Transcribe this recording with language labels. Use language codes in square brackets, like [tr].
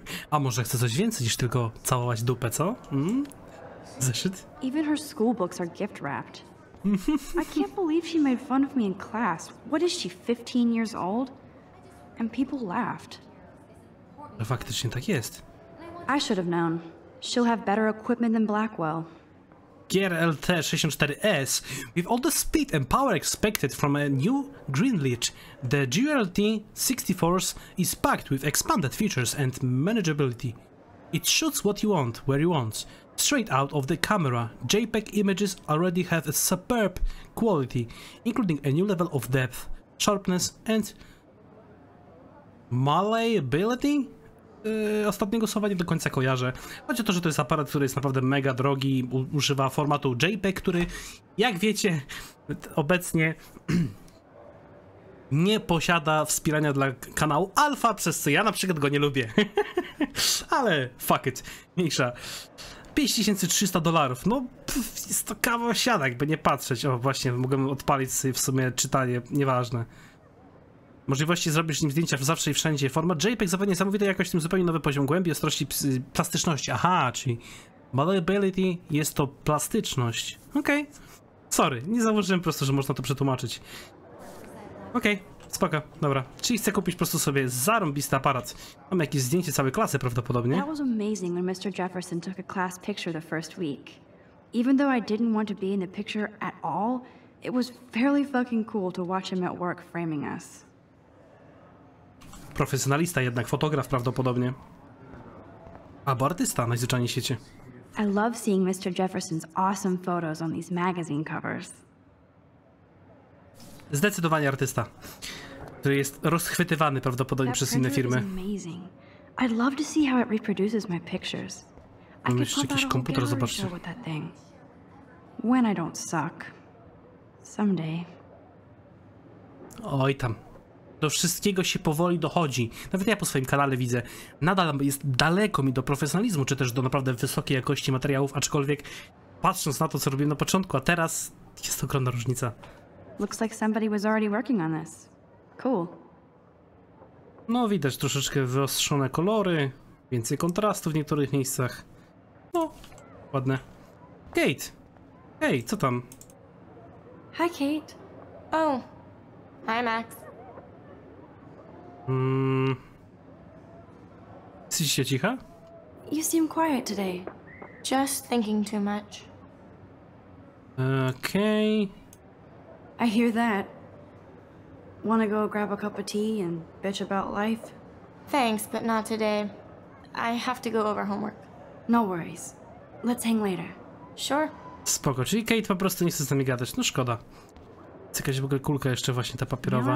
[pl] A może chce coś więcej niż tylko całować dupę, co? Zeszyt? [en] Even her school books are gift wrapped. I can't believe she made fun of me in class. What is she, 15 years old? And people laughed. [pl] No, faktycznie tak jest. [en] I should have known. She'll have better equipment than Blackwell. GRLT64S, with all the speed and power expected from a new Greenleach, the GRLT64S is packed with expanded features and manageability. It shoots what you want, where you want. straight out of the camera. JPEG images already have a superb quality, including a new level of depth, sharpness and malleability? [pl] Ostatniego słowa nie do końca kojarzę. Chodzi o to, że to jest aparat, który jest naprawdę mega drogi, używa formatu JPEG, który, jak wiecie, obecnie nie posiada wspierania dla kanału Alpha, przez co ja na przykład go nie lubię. Ale [en] fuck it, [pl] mniejsza. $5,300, no pff, jest to kawał siada, jakby nie patrzeć. O, właśnie, mogłem odpalić sobie w sumie czytanie, nieważne. Możliwości zrobić z nim zdjęcia zawsze i wszędzie. Format JPEG zapewnia niesamowitą jakość, tym zupełnie nowy poziom głębi, ostrości, plastyczności. Aha, czyli malleability jest to plastyczność. Okej. Okay. Sorry, nie założyłem po prostu, że można to przetłumaczyć. Okej, okay. Spoko, dobra. Czyli chcę kupić po prostu sobie zarąbisty aparat. Mam jakieś zdjęcie całej klasy prawdopodobnie. To było [en] amazing when Mr. Jefferson took a class picture the first week. Even though I didn't want to be in the picture at all, it was fairly fucking cool to watch him at work framing us. [pl] Profesjonalista jednak, fotograf prawdopodobnie. Albo artysta na zwyczajnej sieci. [en] I love seeing Mr. Jefferson's awesome photos on these magazine covers. [pl] Zdecydowanie artysta, który jest rozchwytywany prawdopodobnie przez inne firmy. [en] Amazing. I'd love to see how it reproduces my pictures. I could put [pl] jakiś komputer, zobaczcie. [en] With that thing. When I don't suck. Someday. [pl] Oj tam. Do wszystkiego się powoli dochodzi. Nawet ja po swoim kanale widzę, nadal jest daleko mi do profesjonalizmu, czy też do naprawdę wysokiej jakości materiałów, aczkolwiek patrząc na to, co robiłem na początku, a teraz jest ogromna różnica. [en] Looks like somebody was already working on this. Cool. [pl] No widać troszeczkę wyostrzone kolory, więcej kontrastu w niektórych miejscach. No, ładne. Kate! Hej, co tam? [en] Hi Kate. Oh, hi Max. [pl] Jesteś się cicha? [en] You seem quiet today. Just thinking too much. Okay. I hear that. Wanna go grab a cup of tea and bitch about life? Thanks, but not today. I have to go over homework. No worries. Let's hang later. Sure. [pl] Spoko, czyli Kate po prostu nie chce z nami gadać. No szkoda. Jest jakaś w ogóle kulka jeszcze właśnie ta papierowa.